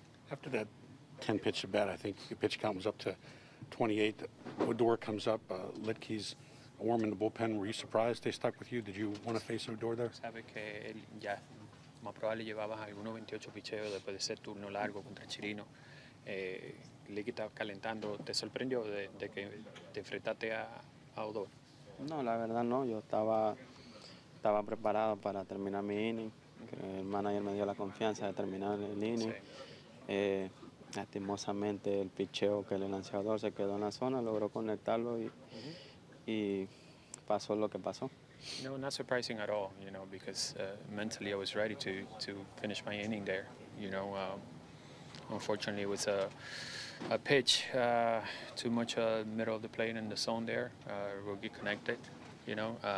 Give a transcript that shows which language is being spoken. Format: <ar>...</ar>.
<en>After that 10-pitch at bat, I think your pitch count was up to 28. Odor comes up, Litke's warm in the bullpen. Were you surprised they stuck with you? Did you want to face Odor there?</en> <es>Sabe que él ya, más probable llevabas algunos 28 picheos después de ese turno largo contra Chirino. Litke estaba calentando. ¿Te sorprendió de que te enfrentaste a Odor? No, la verdad no. Yo estaba preparado para terminar mi inning. El manager me dio la confianza de terminar el inning. Lastimosamente el picheo que el lanzador se quedó en la zona, logró conectarlo y pasó lo que pasó.</es> <en>No, not surprising at all, you know, because mentally I was ready to finish my inning there, you know. Unfortunately it was a pitch too much middle of the plate in the zone there, rookie connected, you know.</en>